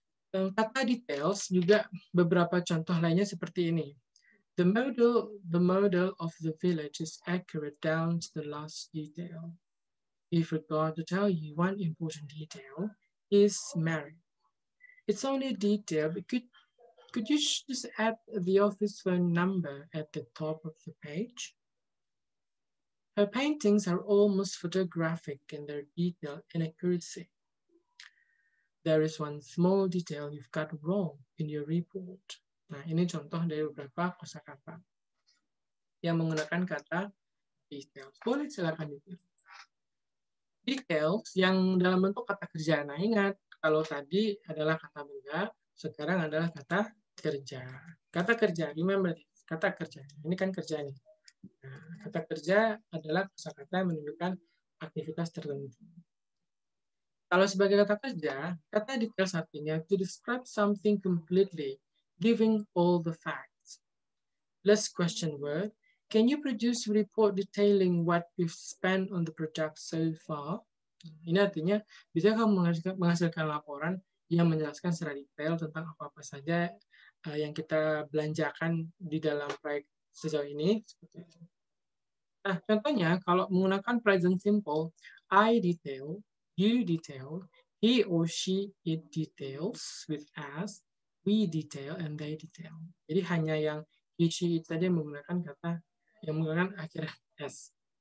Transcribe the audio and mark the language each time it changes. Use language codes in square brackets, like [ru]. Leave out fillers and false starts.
[id] Kata details juga beberapa contoh lainnya seperti ini. [en] The model of the village is accurate down to the last detail. He forgot to tell you one important detail, is married. It's only a detail, but could you just add the office phone number at the top of the page? Her paintings are almost photographic in their detail and accuracy. There is one small detail you've got wrong in your report. [id] Nah, ini contoh dari beberapa kosakata yang menggunakan kata details. Boleh silakan dipilih. Details yang dalam bentuk kata kerja. Nah, ingat kalau tadi adalah kata benda, sekarang adalah kata kerja. Kata kerja, remember, kata kerja. Ini kan kerja nih. Nah, kata kerja adalah kosakata yang menunjukkan aktivitas tertentu. Kalau sebagai kata kerja, kata detail artinya [en] to describe something completely, giving all the facts. Plus question word, can you produce report detailing what you've spent on the project so far? [id] Ini artinya, bisa kamu menghasilkan laporan yang menjelaskan secara detail tentang apa-apa saja yang kita belanjakan di dalam proyek sejauh ini. Nah, contohnya, kalau menggunakan present simple, [en] I detail, you detail, he or she it details with us, we detail, and they detail. [id] Jadi hanya yang he, she, it saja menggunakan kata yang menggunakan akhir S.